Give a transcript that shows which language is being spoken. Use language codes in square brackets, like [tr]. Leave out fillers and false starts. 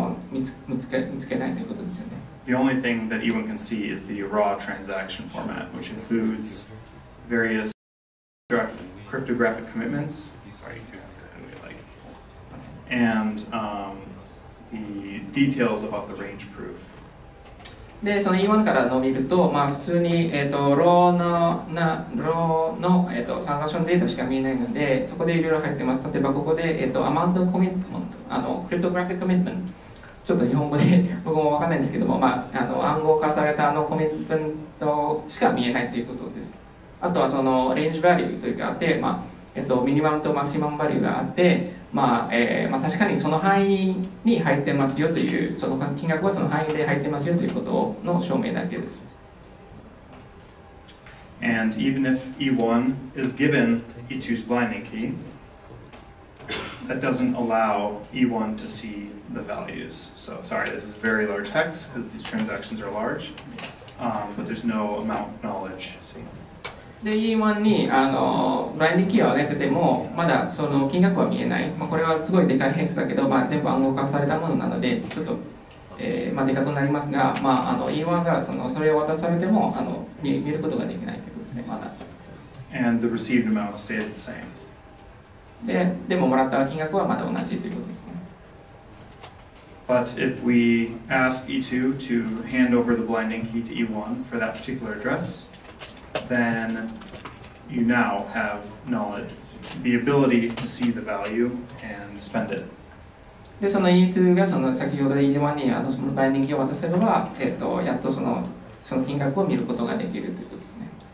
[en] The only thing that E1 can see is the raw transaction format, which includes various cryptographic commitments and the details about the range proof. [ja] で、その E1 から伸びると、まあ普通に、ローの、トランザクションデータしか見えないので、そこでいろいろ入ってます。例えばここで、アマウントコミットメント、クリプトグラフィックコミットメント、ちょっと日本語で僕もわかんないんですけども、まあ、暗号化されたコミットメントしか見えないということです。あとはそのレンジバリューというかあって、まあミニマムとマキシマムバリューがあって、まあ確かにその範囲に入ってますよという、その金額はその範囲で入ってますよということの証明だけです。 [en] And even if E1 is given E2's blinding key, that doesn't allow E1 to see the values. So sorry, this is very large hex because these transactions are large, but there's no amount knowledge. See? [ja] で、E1 にブラインディングキーを上げてても、まだその金額は見えない。まあ、これはすごいでかいヘックスだけど、まあ、全部暗号化されたものなので、ちょっと、まあ、でかくなりますが、まあ、E1 がそれを渡されても見ることができないということですね、まだ。 [en] And the received amount stays the same. [ja] でも、もらった金額はまだ同じということですね。 [en] But if we ask E2 to hand over the blinding key to E1 for that particular address,then you now have knowledge, the ability to see the value and spend it. [ja] で、その E2 がその先ほど E1 にそのバインディングを渡せれば、やっとその金額を見ることができるということですね。